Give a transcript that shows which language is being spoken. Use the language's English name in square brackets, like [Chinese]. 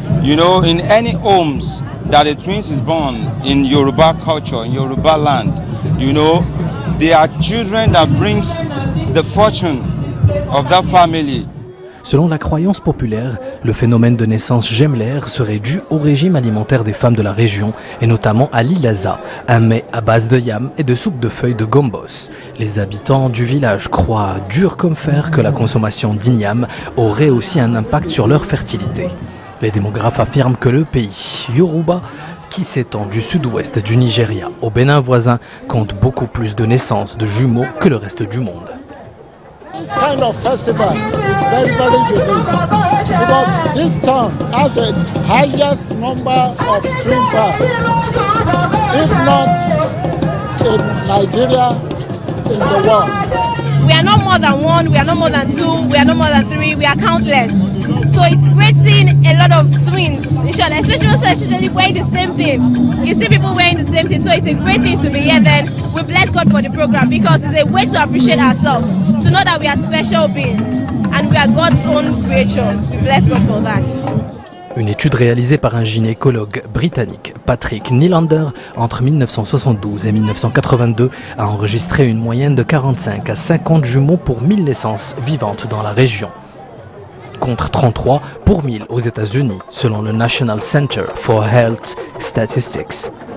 [English] You know, in any homes that a twins is born in Yoruba culture, in Yoruba land, you know, they are children that brings the fortune of that family. [French] Selon la croyance populaire, le phénomène de naissance gemellaire serait dû au régime alimentaire des femmes de la région et notamment à l'ilaza, un mets à base de yam et de soupe de feuilles de gombos. Les habitants du village croient dur comme fer que la consommation d'igname aurait aussi un impact sur leur fertilité. Les démographes affirment que le pays Yoruba, qui s'étend du sud-ouest du Nigeria au Bénin voisin, compte beaucoup plus de naissances de jumeaux que le reste du monde. [English] This kind of festival is very, very unique because this town has the highest number of twin births, if not in Nigeria, in the world. We are not more than one, we are not more than two, we are not more than three, we are countless. So it's great seeing a lot of twins, especially wearing the same thing. You see people wearing the same thing, so it's a great thing to be here then. We bless God for the program because it's a way to appreciate ourselves, to know that we are special beings and we are God's own creation. We bless God for that. [French] Une étude réalisée par un gynécologue britannique, Patrick Nylander, entre 1972 et 1982, a enregistré une moyenne de 45 à 50 jumeaux pour 1000 naissances vivantes dans la région, contre 33 pour 1000 aux États-Unis, selon le National Center for Health Statistics.